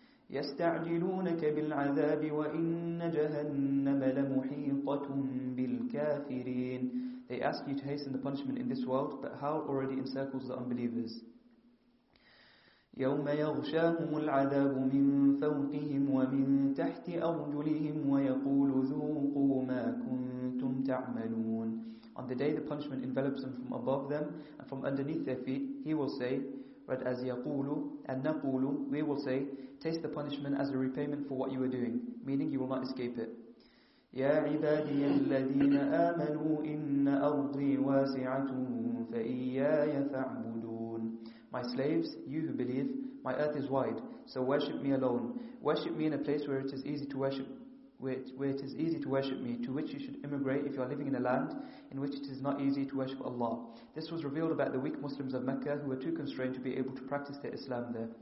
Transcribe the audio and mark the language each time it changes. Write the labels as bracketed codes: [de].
[ar] يستعجلونك بالعذاب وإن جهنم لمحيطة بالكافرين. [en] They ask you to hasten the punishment in this world, but hell already encircles the unbelievers. [ar] يوم يغشاهم العذاب من فوقهم ومن تحت أرجلهم ويقول ذوقوا ما كنتم تعملون. [en] On the day the punishment envelops them from above them and from underneath their feet, he will say, but as يقولوا and نقولوا, we will say, taste the punishment as a repayment for what you were doing, meaning you will not escape it. [ar] يا عبادي الذين آمنوا إن أرضي واسعة فإياي فاعبدون. [en] My slaves, you who believe, my earth is wide, so worship me alone. Worship me in a place where it is easy to worship, where it is easy to worship me, to which you should immigrate if you are living in a land in which it is not easy to worship Allah. This was revealed about the weak Muslims of Mecca who were too constrained to be able to practice their Islam there.